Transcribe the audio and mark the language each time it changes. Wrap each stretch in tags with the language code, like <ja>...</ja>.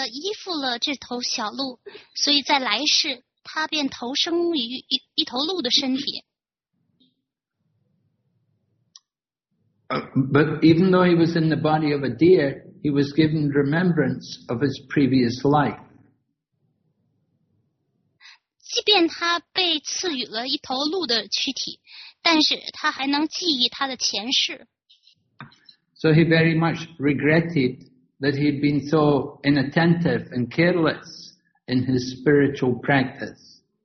<zh>那结果呢,他救起了一只小鹿,他变得依附了这头小鹿,所以在来世, 他便投生于一头鹿的身体。</zh> <en>But even though he was in the body of a deer, he was given remembrance of his previous life.</en> <zh>即便他被赐予了一头鹿的躯体, 但是他还能记忆他的前世。</zh> <en>So he very much regretted that he had been so inattentive and careless in his spiritual practice.</en>